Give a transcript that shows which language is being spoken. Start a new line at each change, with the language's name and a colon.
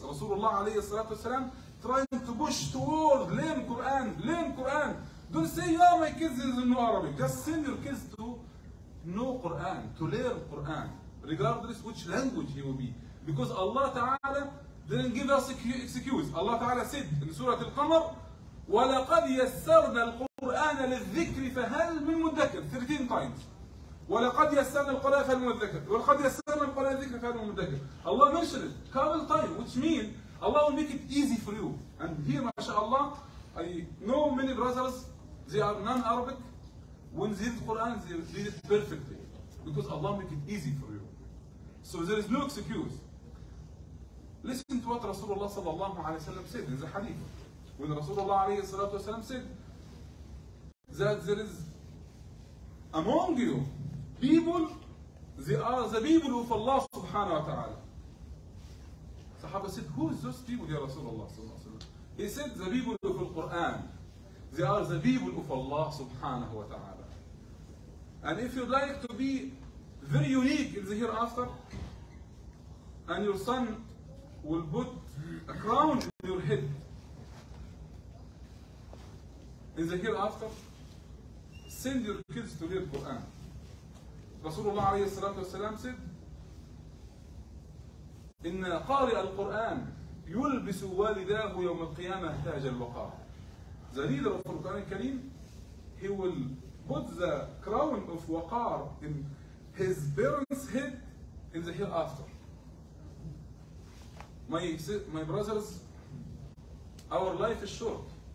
English: Rasulullah alayhi salatu wasalam trying to push toward learn Quran, learn Quran. Don't say, oh, my kids is in Arabic. Just send your kids to know Quran, to learn Quran, regardless which language he will be. Because Allah Ta'ala didn't give us excuse. Allah Ta'ala said in Surah Al-Qamar,
Arabic: وَلَقَدْ يَسَّرْنَا الْقُرْآنَ لِلذِّكْرِ فَهَلْ مِنْ مُدَّكِرِ
English: 13 times.
Arabic: وَلَقَدْ يَسَّرْنَا الْقُرْآنَ فَهَلْ مِنْ مُدَّكِرِ وَلَقَدْ يَسَّرْنَا الْقُرْآنَ لِلذِّكْرِ فَهَلْ مِنْ مُدَّكِرِ.
English: Allah mentioned it several times, which means Allah will make it easy for you. And here, mashallah, I know many brothers, they are non-Arabic. When they read the Quran, they read it perfectly. Because Allah make it easy for you. So there is no excuse. Listen to what Rasulullah sallallahu alayhi wa sallam said in the hadith. When Rasulullah alayhi wa sallam said that there is among you people, they are the people of Allah subhanahu wa ta'ala. Sahaba said, who is those people, ya Rasulullah sallallahu alayhi wa sallam? He said, the people of the Quran. They are the people of Allah subhanahu wa ta'ala. And if you'd like to be very unique in the hereafter, and your son will put a crown in your head in the hereafter, send your kids to read Quran. Rasulullah alayhi salatu wa sallam said,
Arabic: إن قارئ القرآن يلبس والداه يوم القيامة تاج الوقار.
English: The reader of Quran al-Kareem, he will put the crown of waqar in his parents' head in the hereafter. My brothers, our life is short.